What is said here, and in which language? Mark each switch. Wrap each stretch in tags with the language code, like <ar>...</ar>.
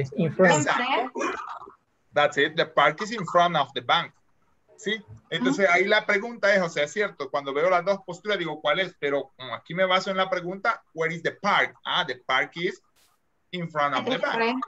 <en>Exactly. That's it. The park is in front of the bank.</en> <es>¿Sí? Entonces ahí la pregunta es, o sea, es cierto, cuando veo las dos posturas digo, ¿cuál es? Pero como aquí me baso en la pregunta,</es> <en>where is the park? Ah, the park is in front of the back.</en>